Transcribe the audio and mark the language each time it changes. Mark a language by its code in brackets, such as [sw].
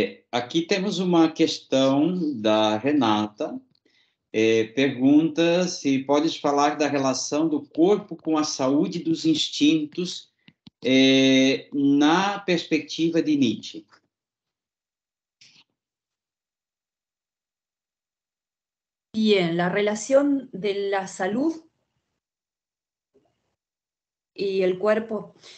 [es] Aquí tenemos una cuestión de Renata. [pt] Pergunta se podes falar da relação do corpo com a saúde dos instintos na perspectiva de Nietzsche. [es] Bien, la relación de la salud y el cuerpo.